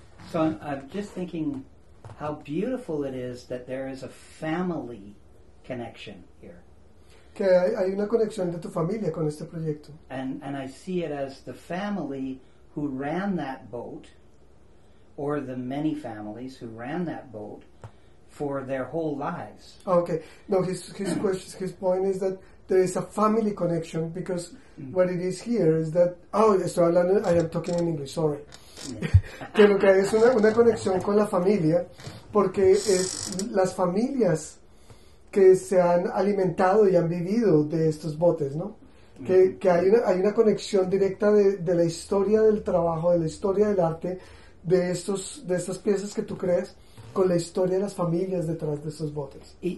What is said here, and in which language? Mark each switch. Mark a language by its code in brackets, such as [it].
[en] so I'm just thinking how beautiful it is that there is a family connection here. [es] Que hay una conexión de tu familia con este proyecto. [en] And I see it as the family who ran that boat, or the many families who ran that boat, for their whole lives. Okay. No, his question, his point is that there is a family connection, because mm-hmm. what it is here is that... Oh, so I am talking in English, sorry. [es] Que lo que hay es una conexión con la familia, porque es las familias que se han alimentado y han vivido de estos botes, ¿no? Mm-hmm. Que hay una conexión directa de la historia del trabajo, de la historia del arte, de estas piezas que tú creas, con la historia de las familias detrás de esos botes.